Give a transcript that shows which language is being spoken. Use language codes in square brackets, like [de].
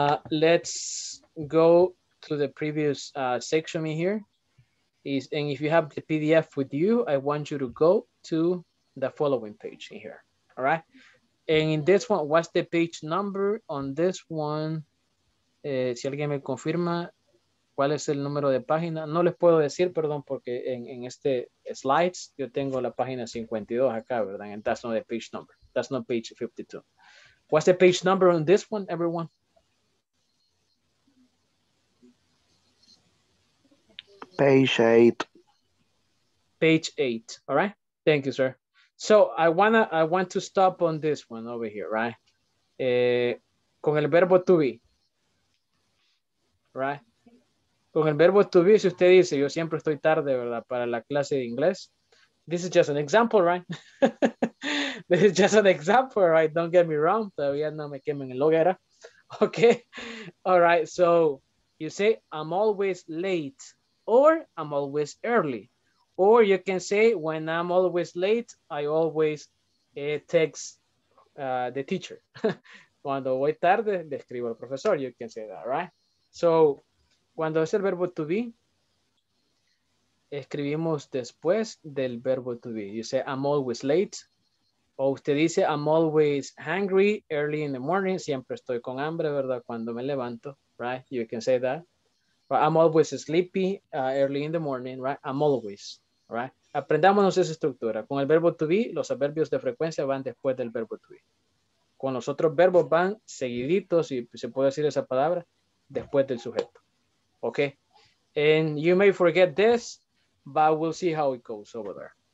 [en] Let's go to the previous section in here. And if you have the PDF with you, I want you to go to the following page in here, all right? And in this one, what's the page number on this one? [es] Si alguien me confirma, ¿cuál es el número de página? No les puedo decir, perdón, porque en este slides, yo tengo la página 52 acá, ¿verdad? [en] And that's not the page number. That's not page 52. What's the page number on this one, everyone? Page 8. All right. Thank you, sir. So I want to stop on this one over here, right? [es] Con el verbo to be. Right? Con el verbo to be, si usted dice, yo siempre estoy tarde, ¿verdad? Para la clase de inglés. [en] This is just an example, right? This is just an example, right? Don't get me wrong. [es] Todavía no me quemen el hoguera. Okay. All right. [en] So you say, I'm always late. Or I'm always early. Or you can say, when I'm always late, I always text the teacher. [es] Cuando voy tarde, le escribo al profesor. [en] You can say that, right? [es] So, cuando es el verbo to be, escribimos después del verbo to be. [en] You say, I'm always late. [es] O usted dice, [en] I'm always hungry early in the morning. [es] Siempre estoy con hambre, ¿verdad? Cuando me levanto, right? [en] You can say that. I'm always sleepy early in the morning, right? I'm always, right? [es] Aprendámonos esa estructura. Con el verbo to be, los adverbios de frecuencia van después del verbo to be. Con los otros verbos van seguiditos, si se puede decir esa palabra, después del sujeto. [en] Okay? And you may forget this, but we'll see how it goes over there.